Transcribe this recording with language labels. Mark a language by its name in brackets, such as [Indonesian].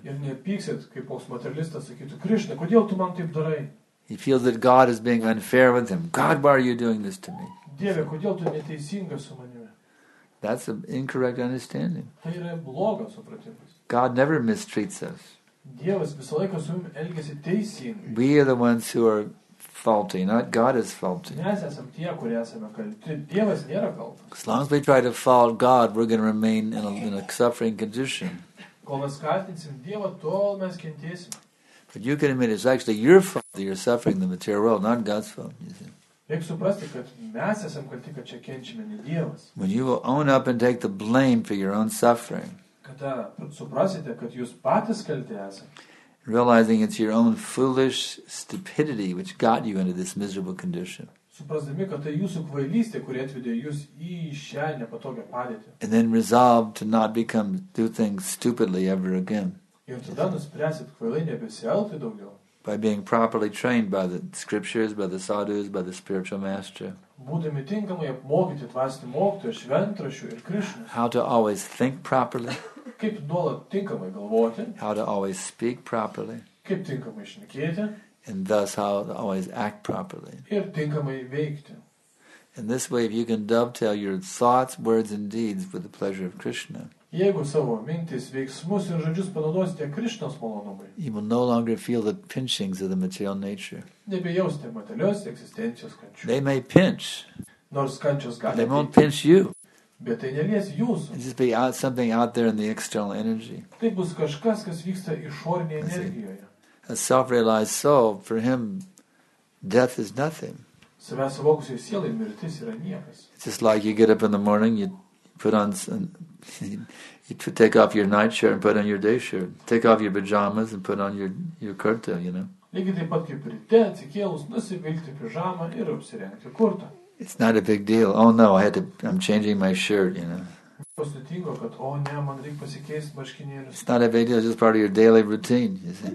[Lithuanian] Ir nepyksit, kaip postmaterialistas sakytų, Krishna, kodėl tu man taip darai? [English] He feels that God is being unfair with him. God, why are you doing this to me? [Lithuanian] Dieve, kodėl tu neteisingas su manimi? [English] That's an incorrect understanding. [Lithuanian] Tai yra blogas supratimas. [English] God never mistreats us. [Lithuanian] Dievas visą laiką su mumis elgiasi teisingai. [English] We are the ones who are faulty, not God is faulty. [Lithuanian] Mes esam tie, kurie esame kalti. Dievas nėra kaltas. [English] As long as we try to fault God, we're going to remain in a suffering condition. [Lithuanian] Kol mes kaltinsim Dievą, tol mes kentėsim. [English] But you can admit it's actually your fault that you're suffering the material world, not God's fault, you see. [Lithuanian] Reik suprasti, kad mes esam kalti, kad čia kenčiame, ne Dievas. [English] When you will own up and take the blame for your own suffering. [Lithuanian] Kada suprasite, kad jūs patys kalti esam. [English] Realizing it's your own foolish stupidity which got you into this miserable condition. [Lithuanian] Suprasdami, kad tai jūsų kvailystė, kuri atvedė jūs į šią nepatogią padėtį. [English] And then resolve to not become do things stupidly ever again. [Lithuanian] Ir tada nuspręsit kvailai nebesielgti daugiau. [English] By being properly trained by the scriptures, by the sadhus, by the spiritual master. [Lithuanian] Būdami tinkamai apmokyti dvasinių mokytojų, šventrašių ir Krishna. [English] How to always think properly. [Lithuanian] Kaip nuolat tinkamai galvoti. [English] How to always speak properly. [Lithuanian] Kaip tinkamai šnekėti. [English] And thus how to always act properly. [Lithuanian] Ir tinkamai veikti. [English] In this way, if you can dovetail your thoughts, words and deeds with the pleasure of Krishna. [Lithuanian] Jeigu savo mintis, veiksmus ir žodžius panaudosite Krishnos malonumui. [English] You will no longer feel the pinchings of the material nature. [Lithuanian] Nebejausite materialios egzistencijos kančių. [English] They may pinch. [Lithuanian] Nors kančios gali. [English] They won't pinch you. [Lithuanian] Bet tai nelies jūsų. [English] It's just be out, something out there in the external energy. [Lithuanian] Tai bus kažkas, kas vyksta išorinėje energijoje. [English] A self-realized soul, for him, death is nothing. [Lithuanian] Savęs suvokusiai sielai mirtis yra niekas. [English] It's just like you get up in the morning, you put on you take off your nightshirt and put on your day shirt. Take off your pajamas and put on your kurta, you know. [Lithuanian] Lygiai taip pat kaip ryte atsikėlus, nusivilkti pižamą ir apsirengti kurtą. [English] It's not a big deal. Oh no, I'm changing my shirt, you know. [Lithuanian] Sudėtingo, kad o ne, man reikia pasikeisti marškinėlius. [English] It's not a big deal, it's just part of your daily routine, you see.